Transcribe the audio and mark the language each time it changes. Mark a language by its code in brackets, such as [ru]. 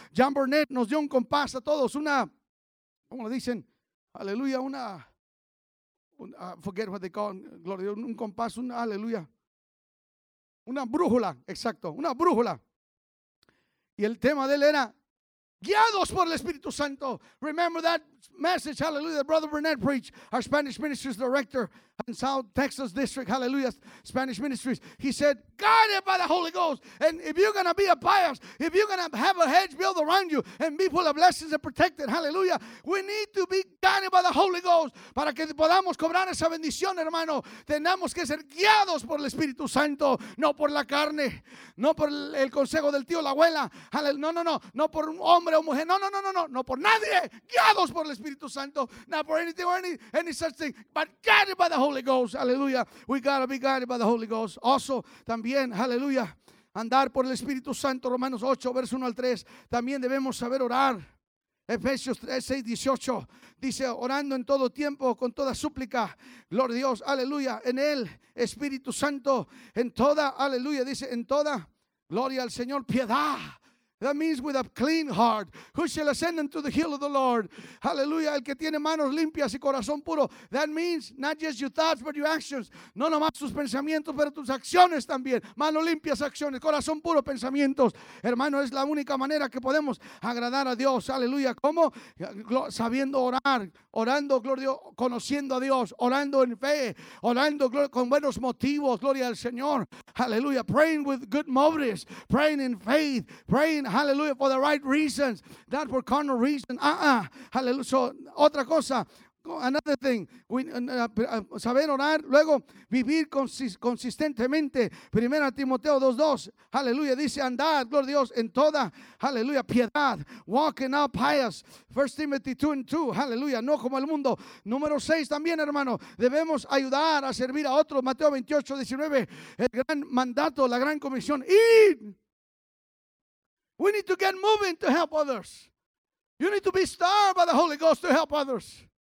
[es] John Burnett nos dio un compás a todos, ¿cómo lo dicen? Aleluya, [en] forget what they call, [es] gloria, un compás, aleluya. Una brújula, exacto, una brújula. Y el tema de él era, guiados por el Espíritu Santo. [en] Remember that message, hallelujah, that Brother Burnett preached, our Spanish Ministries Director in South Texas District, hallelujah, Spanish Ministries. He said, guided by the Holy Ghost. And if you're going to be a pious, if you're going to have a hedge built around you and be full of blessings and protected, hallelujah, we need to be guided by the Holy Ghost [es] para que podamos cobrar esa bendición, hermano. Tenemos que ser guiados por el Espíritu Santo, no por la carne, no por el consejo del tío o la abuela, hallelujah. No por un hombre o mujer, no por nadie, guiados por el Espíritu Santo, [en] not for anything or any such thing, but guided by the Holy Ghost, [es] hallelujah. [en] We got to be guided by the Holy Ghost. [es] Also, también, hallelujah, andar por el Espíritu Santo, Romanos 8, verso 1 al 3, también debemos saber orar. Efesios 3, 6, 18, dice, orando en todo tiempo, con toda súplica, gloria a Dios, aleluya, en él, Espíritu Santo, en toda, aleluya, dice, en toda, gloria al Señor, piedad. [en] That means with a clean heart. Who shall ascend unto the hill of the Lord? Hallelujah. [es] El que tiene manos limpias y corazón puro. [en] That means not just your thoughts, but your actions. [es] No nomás tus pensamientos, pero tus acciones también. Manos limpias, acciones. Corazón puro, pensamientos. Hermano, es la única manera que podemos agradar a Dios. Hallelujah. ¿Cómo? Sabiendo orar. Orando, gloria, conociendo a Dios. Orando en fe. Orando, gloria, con buenos motivos. Gloria al Señor. Hallelujah. [en] Praying with good motives. Praying in faith. Praying. Hallelujah, for the right reasons, not for carnal reasons. [es] Hallelujah. So, otra cosa, [en] another thing, [es] saber orar, luego vivir consistentemente. Primera Timoteo 2:2, hallelujah, dice andar, gloria a Dios, en toda, hallelujah, piedad, [en] walking out pious. [es] First Timothy 2:2, hallelujah, no como el mundo. Número 6 también, hermano, debemos ayudar a servir a otros. Mateo 28:19, el gran mandato, la gran comisión, ir. [en] We need to get moving to help others. You need to be starved by the Holy Ghost to help others.